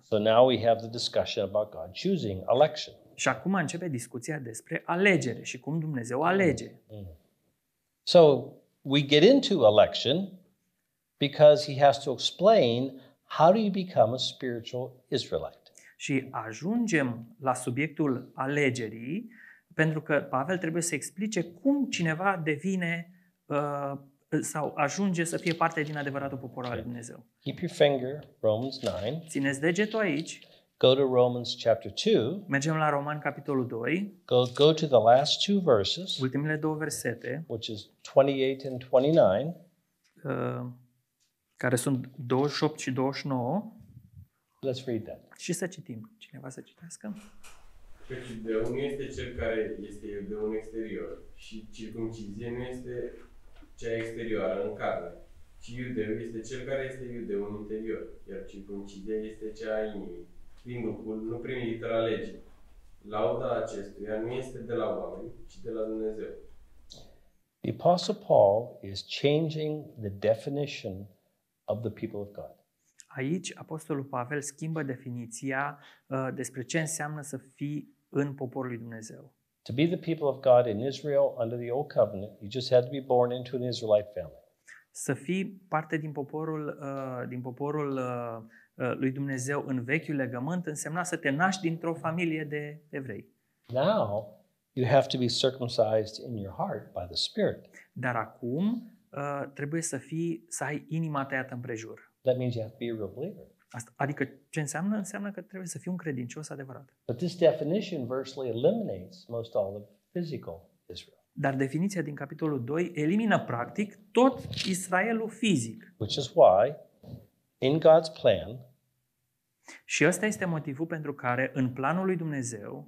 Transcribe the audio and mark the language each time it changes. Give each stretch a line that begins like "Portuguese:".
English: So now we have the discussion about God choosing, election.
Romanian: Și acum începe discuția despre alegere și cum Dumnezeu alege.
English: So we get into election because he has to explain how do you become a spiritual Israelite.
Romanian: Și ajungem la subiectul alegerii pentru că Pavel trebuie să explice cum cineva devine sau ajunge să fie parte din adevăratul popor al Dumnezeu.
English: Keep your finger, Romans 9.
Romanian: Țineți degetul aici.
English: Go to Romans chapter 2.
Romanian: Mergem la Roman capitolul 2.
English: Go to the last two verses.
Romanian: Ultimele două versete.
English: Which is 28 and 29.
Romanian: Care sunt 28 și 29.
English: Let's read that.
Romanian: Și să citim. Cineva să citească? Căci de unul este cel care este de un exterior și circumcizie nu este cea exterioară în carne, ci iudeu este cel care este iudeu în interior, iar circumcizie este cea a inimii, prin Duhul, nu prin litera legii. Lauda acestuia nu este de la oameni, ci de la Dumnezeu.
English: The Apostle Paul is changing the definition of the people of God.
Romanian: Aici apostolul Pavel schimbă definiția despre ce înseamnă să fii în poporul lui Dumnezeu.
English: To be the people of God in Israel under the old covenant, you just had to be born into an Israelite family.
Romanian: Să fii parte din poporul lui Dumnezeu în vechiul legământ însemna să te naști dintr-o familie de evrei.
English: Now, you have to be circumcised in your heart by the Spirit.
Romanian: Dar acum trebuie să fii să ai inima tăiată împrejur.
English: That means you have to be a real believer.
Romanian: Asta, adică ce înseamnă? Înseamnă că trebuie să fii un credincios adevărat.
English: But this definition virtually eliminates most all of physical Israel.
Romanian: Dar definiția din capitolul 2 elimină practic tot Israelul fizic.
English: Which is why in God's plan.
Romanian: Și ăsta este motivul pentru care în planul lui Dumnezeu